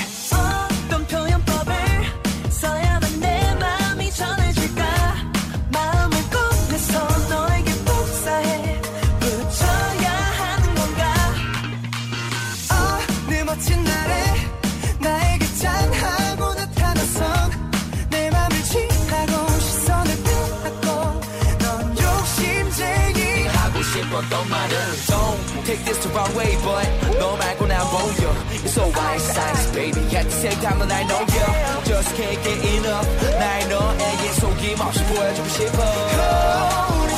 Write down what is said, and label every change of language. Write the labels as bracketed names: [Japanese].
[Korean] 어떤 표현법을 써야만 내 마음이 전해질까 마음을 꺼내서 너에게 복사해 붙여야 하는 건가 어느 멋진 날에 나에게 짠하고 나타나서 내 마음을 취하고 시선을 빼앗고 넌 욕심쟁이 하고 싶었던 말은 [English] Take this the wrong way, but no matter what I want you. It's so white size, baby. At the same time, I know you just can't get enough. [Korean] 날 너에게 속임없이 보여주고 싶어.